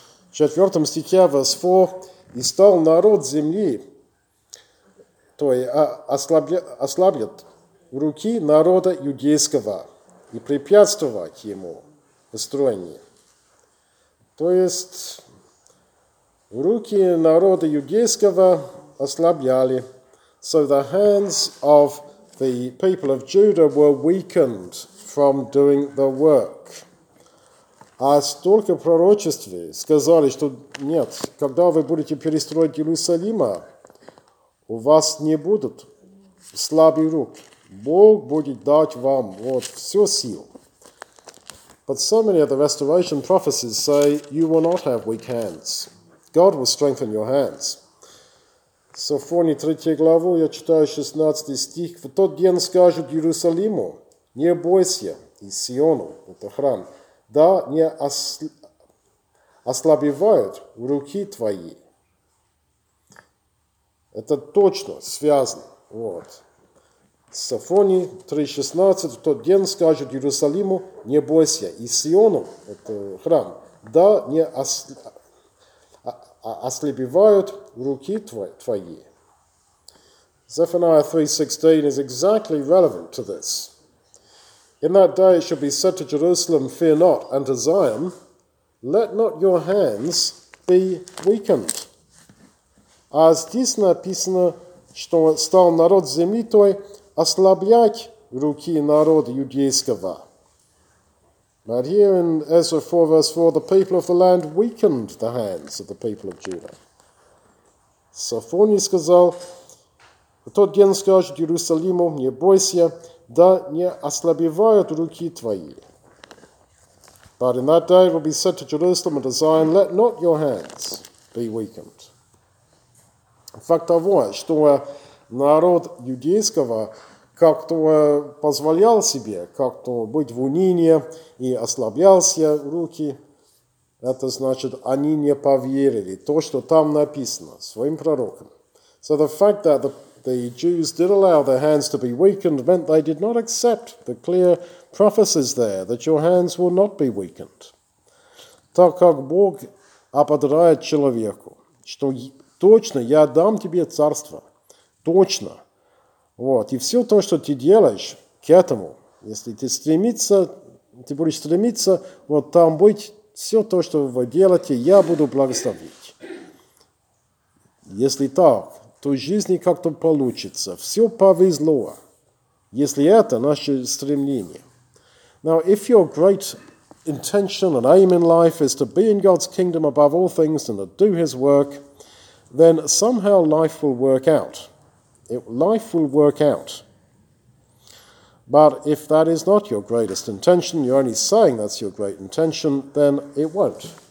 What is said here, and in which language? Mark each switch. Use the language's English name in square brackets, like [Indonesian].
[Russian] В 4 стихе, [English] verse 4, [Russian] «И стал народ земли, то есть ослаблет руки народа иудейского и препятствовать ему в строении». То есть руки народа иудейского ослабляли. [English] So the hands of the people of Judah were weakened from doing the work. [Russian] А столько пророчеств сказали, что нет, когда вы будете перестроить Иерусалима, у вас не будут слабых рук. Бог будет дать вам вот всю силу. [English] But so many of the restoration prophecies say, you will not have weak hands. God will strengthen your hands. [Russian] Софонии 3 главу, я читаю 16 стих. В тот день скажут Иерусалиму, не бойся, и Сиону, это храм, да не ослабевают руки твои. Это точно связано. Вот. Софонии 3.16, в тот день скажут Иерусалиму, не бойся, и Сиону, это храм, да не ослабевают руки твои. [English] Zephaniah 3.16 is exactly relevant to this. In that day it shall be said to Jerusalem, fear not, and to Zion, let not your hands be weakened. [Russian] А здесь написано, что стал народ земли той ослаблять руки народа иудейского. [English] But here in Ezra 4, verse 4, the people of the land weakened the hands of the people of Judah. [Russian] Софоний сказал, в тот день скажет Иерусалиму, не бойся, да не ослабевают руки твои. [English] But in that day it will be said to Jerusalem and to Zion, let not your hands be weakened. [Russian] Факт того, что народ иудейского как-то позволял себе как-то быть в унынии и ослаблялся руки, это значит, они не поверили то, что там написано своим пророком. [English] So the fact that the Jews did allow their hands to be weakened meant they did not accept the clear prophecies there that your hands will not be weakened. [Russian] Так как Бог ободряет человеку, что точно я дам тебе царство, точно. Вот. И все то, что ты делаешь к этому, если ты стремиться, ты будешь стремиться, вот там быть, все то, что вы делаете, я буду благословить. Если так, то жизни как-то получится. Все повезло, если это наше стремление. [English] Now, if your great intention and aim in life is to be in God's kingdom above all things and to do his work, then somehow life will work out. Life will work out. But if that is not your greatest intention, you're only saying that's your great intention, then it won't.